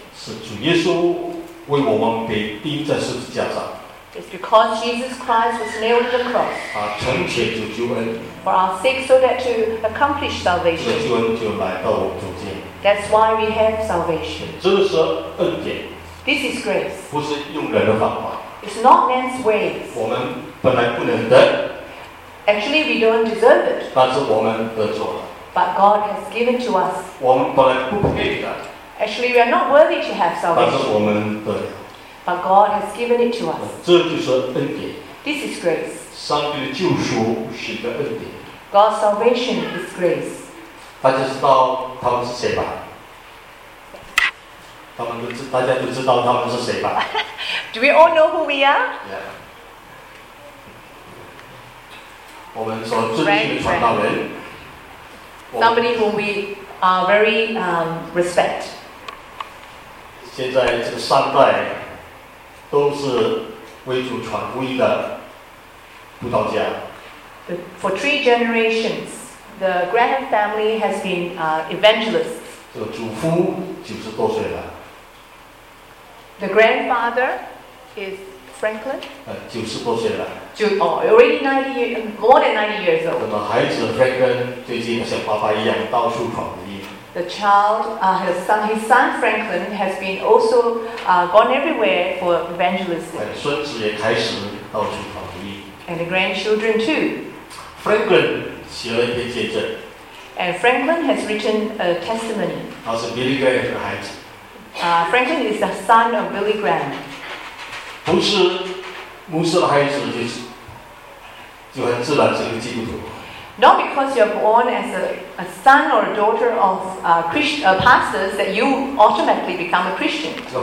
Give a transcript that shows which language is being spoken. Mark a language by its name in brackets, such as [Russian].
[Chinese] 是主耶稣为我们被钉在十字架上。 [English] It's because Jesus Christ was nailed to the cross. [Chinese] 啊，成全就救恩。 [English] For our sake, so that to accomplish salvation. [Chinese] 救恩就来到我们中间。 [English] That's why we have salvation. [Chinese] 这是恩典。 [English] This is grace. [Chinese] 不是用人的方法。 [English] It's not man's ways. [Chinese] 我们本来不能得。 [English] Actually, we don't deserve it. [Chinese] 但是我们得着了。 [English] But God has given to us. [Chinese] 我们本来不配的。 [English] Actually, we are not worthy to have salvation. [Chinese] 但是我们得了。 [English] But God has given it to us. [Chinese] 这就是恩典。 [English] This is grace. [Chinese] 上帝的救赎是个恩典。 [English] God's salvation is grace. [Chinese] 大家知道他们是谁吧？他们都知，大家都知道他们是谁吧？ [English] Do we all know who we are? Yeah. [Chinese] 我们所尊敬的传道人。 [English] Somebody whom we are very respect. [Chinese] 现在这个三代都是为主传福音的布道家。 [English] For three generations, the Graham family has been evangelists. [Chinese] 这个祖父九十多岁了。 [English] The grandfather. Is Franklin? [Chinese] 九十多岁了。 [English] 就哦、already 90 years, more than 90 years old. [Chinese] 那么孩子 Franklin 最近像爸爸一样到处传福音。 [English] The child, his son Franklin has been also gone everywhere for evangelism. [Chinese] 孙子也开始到处传福音。 [English] And the grandchildren too. [Chinese] Franklin 写了一篇见证。 [English] And Franklin has written a testimony. [Chinese] 他是 Billy Graham 的孩子。 [English] Franklin is the son of Billy Graham. [Chinese] 不是牧师的孩子就很自然成为基督徒。 [English] not because you're born as a son or a daughter of pastors that you automatically become a Christian.